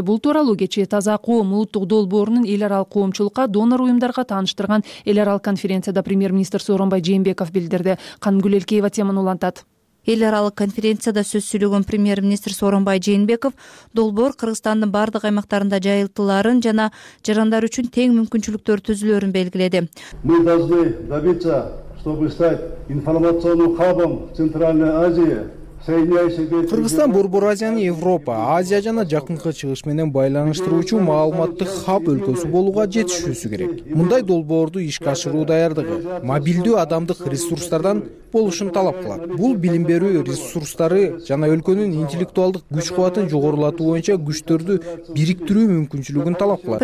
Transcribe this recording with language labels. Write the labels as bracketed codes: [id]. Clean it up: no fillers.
[ky] Бул тууралуу кечээ Таза коом улуттук долбоорунун эл аралык коомчулукка донор уюмдарга тааныштырган эл аралык конференцияда премьер-министр Сооронбай Жээнбеков билдирди. Кангүл Элкеева теманы улантат. Эл аралык конференцияда сөз сүйлөгөн премьер-министр Сооронбай Жээнбеков долбоор Кыргызстандын бардык аймактарында жайылтыларын жана жарандар үчүн тең мүмкүнчүлүктөр түзүлөрүн белгиледи. [ru] Мы должны добиться, чтобы стать информационным хабом Центральной Азии. [ky] Кыргызстан Борбор Азияны Европа, Азия жана жакынкы чыгыш менен байланыштыруучу маалыматтык хаб өлкөсү болууга жетишүүсү керек. Мындай долбоорду ишке ашыруу даярдыгы мобилдүү адамдык ресурстардан болушун талап кылат. Бул билим берүү ресурстары жана өлкөнүн интеллектуалдык күч кубатын жогорулатуу боюнча күчтөрдү бириктирүү мүмкүнчүлүгүн талап кылат.